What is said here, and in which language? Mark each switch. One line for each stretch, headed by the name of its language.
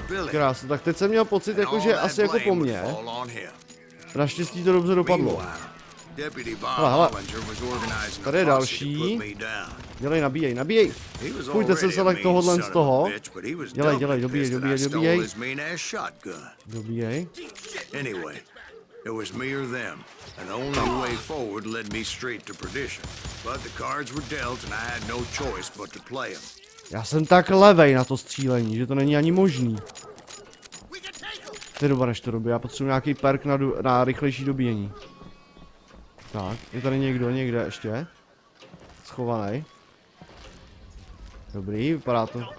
Czech: Krásno, tak teď jsem měl pocit, jako, že asi jako po mně. Naštěstí to dobře dopadlo. Hele, hele. Tady je další. Dělej, nabíjej, nabíjej. Spůjte se tak tohodlen z toho. Dělej, dělej, dobíjej, dobíjej, dobíjej. Dobíjej. Anyway.
English: It was me or them, and the only way forward led me straight to perdition. But the cards were dealt, and I had no choice but to play them.
Czech: Já jsem tak levej na to střílení, že to není ani možný. Ty dobře, než to robí, já potřebuji nějaký perk na, na rychlejší dobíjení. Tak, je tady někdo někde ještě? Schovaný. Dobrý, vypadá to...